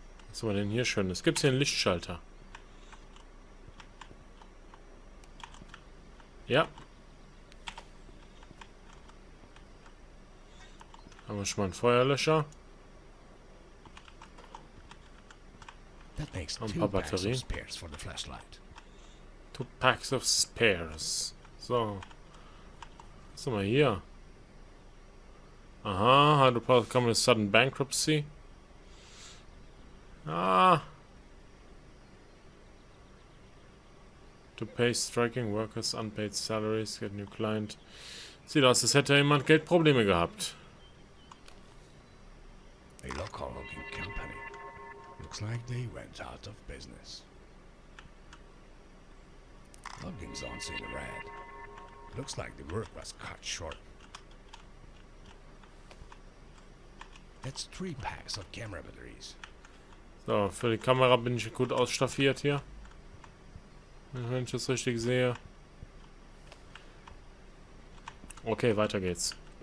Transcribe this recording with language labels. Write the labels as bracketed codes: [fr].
[de] Was haben wir denn hier Schönes? Gibt es hier einen Lichtschalter? Ja. Haben wir schon mal einen Feuerlöscher? Ein paar Batterien. [en] Two packs of spares for the flashlight. Two packs of spares. [de] So. Was haben wir hier? [en] Aha, Hydropower coming to sudden bankruptcy. Ah. To pay striking workers unpaid salaries, get new client. [de] Sieht aus, als hätte jemand Geldprobleme gehabt. [en] A local logging company. Looks like they went out of business. Logging zones in red. Looks like the work was cut short. That's three packs of camera batteries. [de] So, für die Kamera bin ich gut ausstaffiert hier. Wenn ich das richtig sehe. Okay, weiter geht's.